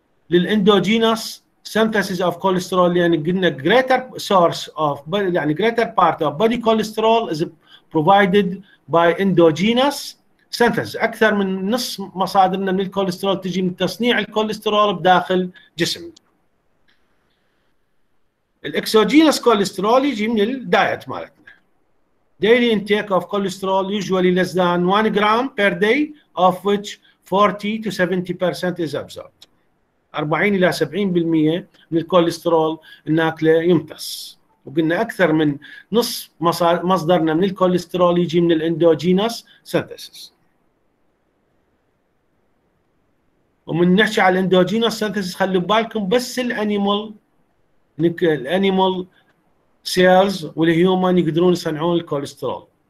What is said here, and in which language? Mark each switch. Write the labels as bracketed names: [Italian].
[English] للاندوجينوس synthesis of cholesterol, [Arabic] لان قلنا [English] greater source of [Arabic] يعني [English] greater part of body cholesterol is provided by endogenous synthesis, [Arabic] اكثر من نصف مصادرنا من الكوليسترول تجي من تصنيع الكوليسترول بداخل جسم. الاكسوجينوس كوليسترول يجي من الدايت مالتنا. [English] Daily intake of cholesterol usually less than 1 gram per day of which 40 to 70% is absorbed. [Arabic] 40 الى 70% من الكوليسترول الناكله يمتص. وقلنا اكثر من نص مصدرنا من الكوليسترول يجي من الاندوجينوس سينثيسيس. ومن نحكي على الاندوجينوس سينثيسيس خلي بالكم بس الانيمال الانيمال سيلز والهيومن يقدرون يصنعون الكوليسترول.